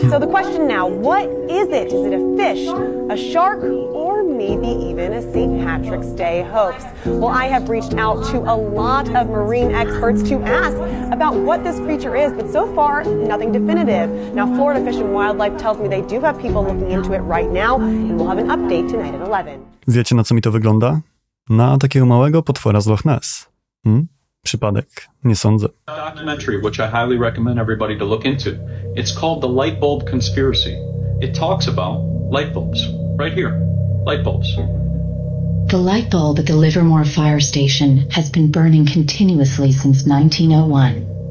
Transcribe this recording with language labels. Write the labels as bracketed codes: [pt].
[en] So the question now, what is it? Is it a fish, a shark, or maybe even a St. Patrick's Day hoax? Well, I have reached out to a lot of marine experts to ask about what this creature is, but so far, nothing definitive. Now, Florida Fish and Wildlife tells me they do have people looking into it right now, and we'll have an update tonight at 11. [pl] Wiecie, na co mi to wygląda? Na takiego małego potwora z Loch Ness. Przypadek? Nie sądzę. [en] Documentary, which I highly recommend everybody to look into. It's called The Light Bulb Conspiracy. It talks about light bulbs. Right here. Light bulbs. The light bulb at the Livermore Fire Station has been burning continuously since 1901.